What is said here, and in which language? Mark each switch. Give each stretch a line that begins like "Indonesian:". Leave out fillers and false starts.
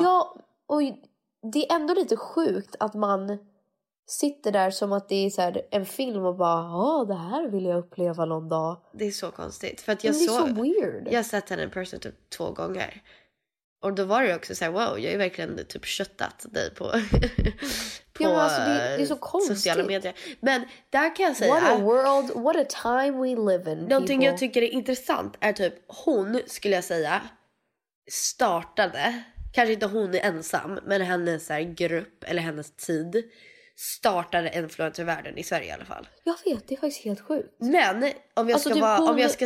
Swedish: Ja, och det är ändå lite sjukt att man sitter där som att det är så här en film och bara, ja, det här vill jag uppleva någon dag. Det är så konstigt. För att jag såg, det är så weird. Jag har sett henne i person typ 2 gånger. Och då var det också så här, wow, jag är verkligen typ köttat dig på, på, ja, alltså, det är så konstigt. Sociala medier. Men där kan jag säga,
English: what a world, what a time we live in.
Swedish: Någonting jag tycker är intressant är typ, hon skulle jag säga startade, kanske inte hon är ensam, men hennes så här grupp eller hennes tid startade influencervärlden i Sverige i alla fall. Jag vet, det är faktiskt helt sjukt. Men om jag ska alltså, vara, om jag ska